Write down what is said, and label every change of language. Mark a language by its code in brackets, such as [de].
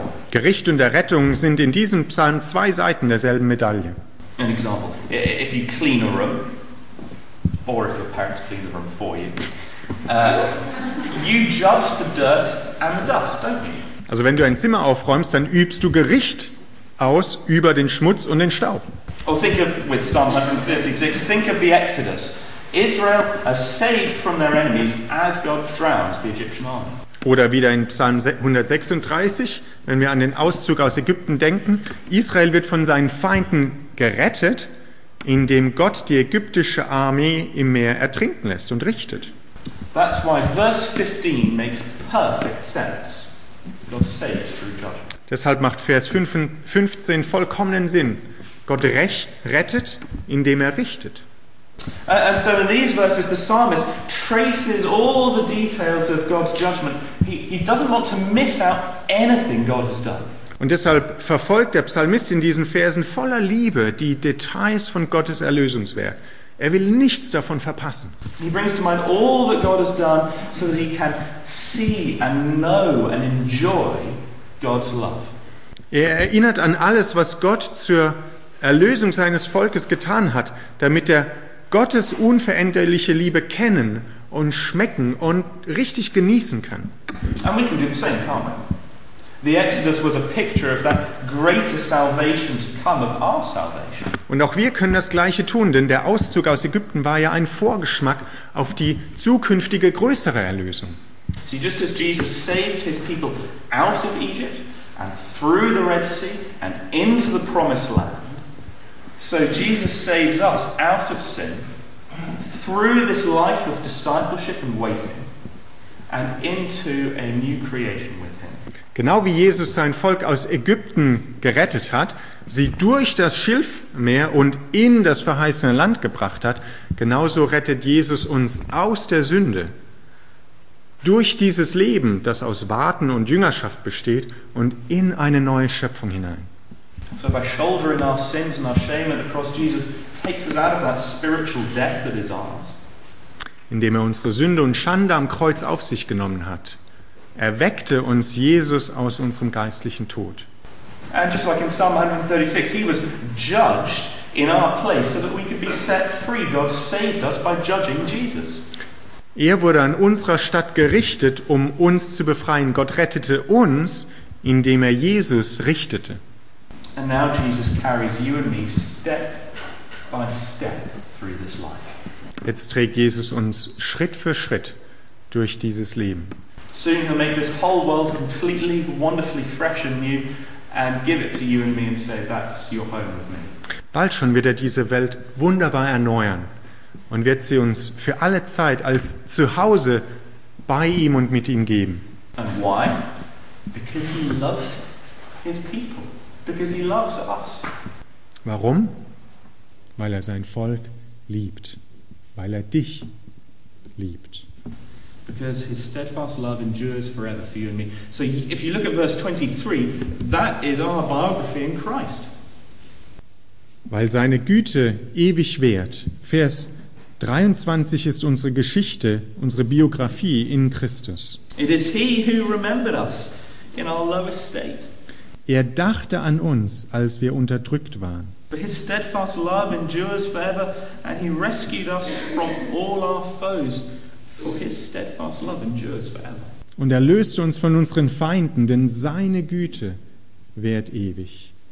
[de] Gericht und Errettung sind in diesem Psalm zwei Seiten derselben Medaille. [en] An example: if you clean a room, or if your parents clean the room for you, you judge the dirt and the dust, don't you? [de] Also wenn du ein Zimmer aufräumst, dann übst du Gericht aus über den Schmutz und den Staub. [en] Oh, think of, with Psalm 136, think of the Exodus. Israel are saved from their enemies as God drowns the Egyptian army. [de] Oder wieder in Psalm 136, wenn wir an den Auszug aus Ägypten denken, Israel wird von seinen Feinden gerettet, indem Gott die ägyptische Armee im Meer ertrinken lässt und richtet. [en] That's why verse 15 makes perfect sense. God saves through judgment. [de] Deshalb macht Vers 15 vollkommenen Sinn. Gott rettet, indem er richtet. [en] And so in these verses the psalmist traces all the details of God's judgment. He doesn't want to miss out anything God has done. [de] Und deshalb verfolgt der Psalmist in diesen Versen voller Liebe die Details von Gottes Erlösungswerk. Er will nichts davon verpassen. [en] He brings to mind all that God has done so that he can see and know and enjoy God's love. [de] Er erinnert an alles, was Gott zur Erlösung seines Volkes getan hat, damit er Gottes unveränderliche Liebe kennen und schmecken und richtig genießen kann. [en] And we can do the same, can't we? The Exodus was a picture of that greater salvation to come, of our salvation. [de] Und auch wir können das Gleiche tun, denn der Auszug aus Ägypten war ja ein Vorgeschmack auf die zukünftige größere Erlösung. [en] See, just as Jesus saved his people out of Egypt and through the Red Sea and into the Promised Land, so Jesus saves us out of sin through this life of discipleship and waiting and into a new creation with him. [de] Genau wie Jesus sein Volk aus Ägypten gerettet hat, sie durch das Schilfmeer und in das verheißene Land gebracht hat, genauso rettet Jesus uns aus der Sünde durch dieses Leben, das aus Warten und Jüngerschaft besteht, und in eine neue Schöpfung hinein. [en] So by shouldering our sins and our shame at the cross, Jesus takes us out of that spiritual death that is ours. [de] Indem er unsere Sünde und Schande am Kreuz auf sich genommen hat, erweckte uns Jesus aus unserem geistlichen Tod. [en] And just like in Psalm 136, he was judged in our place so that we could be set free. God saved us by judging Jesus. [de] Er wurde an unserer Stadt gerichtet, um uns zu befreien. Gott rettete uns, indem er Jesus richtete. [en] And now Jesus carries you and me step by step through this life. [de] Jetzt trägt Jesus uns Schritt für Schritt durch dieses Leben. [en] Soon he'll make this whole world completely, wonderfully fresh and new and give it to you and me and say, that's your home with me. [de] Bald schon wird er diese Welt wunderbar erneuern und wird sie uns für alle Zeit als Zuhause bei ihm und mit ihm geben. [en] And why? Because he loves his people. Because he loves us. [de] Warum? Weil er sein Volk liebt. Weil er dich liebt. [en] because his steadfast love endures forever for you and me. So if you look at verse 23, that is our biography in Christ. [de] Weil seine Güte ewig währt. Vers 23 ist unsere Geschichte, unsere Biografie in Christus. [en] It is he who remembered us in our lowest state. [de] Er dachte an uns, als wir unterdrückt waren. [en] But his steadfast love endures forever, and he rescued us from all our foes. For his steadfast love endures forever. [de] Und löste uns von unseren Feinden, denn seine Güte währt ewig.